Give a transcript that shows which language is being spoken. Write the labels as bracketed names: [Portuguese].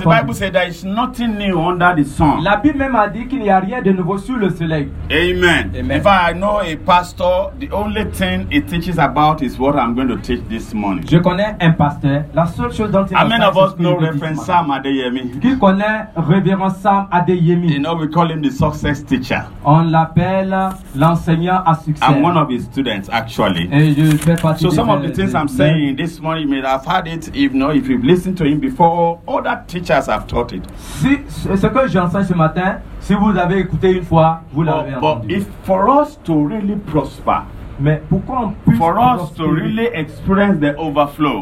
[English] Because the Bible said there is nothing new under the sun. [French] La Bible même a dit qu'il n'y a rien de nouveau sous le soleil. Amen. [English] If I know a pastor, the only thing he teaches about is what I'm going to teach this morning. [French] Je connais un pasteur. La seule chose dont il parle. [English] How many of us know Reverend Sam Adeyemi? [French] Qui connaît Reverend Sam Adeyemi? [English] You know, we call him the success teacher. [French] On l'appelle l'enseignant à succès. [English] I'm one of his students, actually. So some of the things I'm saying this morning, you may have heard it. If not, if you've listened to him before, other teachers have taught it. [French] Si ce que j'enseigne ce matin, si vous avez écouté une fois, vous l'avez entendu. [English] But if for us to really prosper, [French] mais pour qu'on puisse [English] for us to really experience the overflow,